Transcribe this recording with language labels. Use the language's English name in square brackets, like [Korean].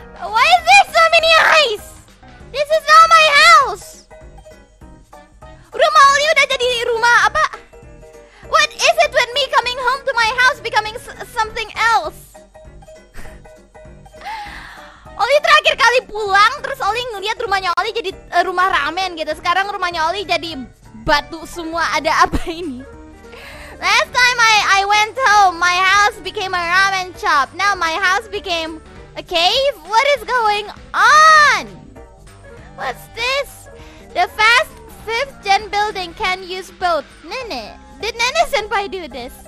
[English] Why is there so many eyes? This is not my house. [Indonesian] Rumah Oli udah jadi rumah apa? [English] What is it with me coming home to my house becoming something else? [Indonesian] terakhir kali pulang terus Oli ngeliat rumahnya Oli jadi rumah ramen gitu. Sekarang rumahnya Oli jadi batu semua, ada apa ini? [English] Last time I went home, my house became a ramen shop. Now my house became a cave. What is going on? What's this? The fast 5th gen building can use both. Nene, did Nene Senpai do this?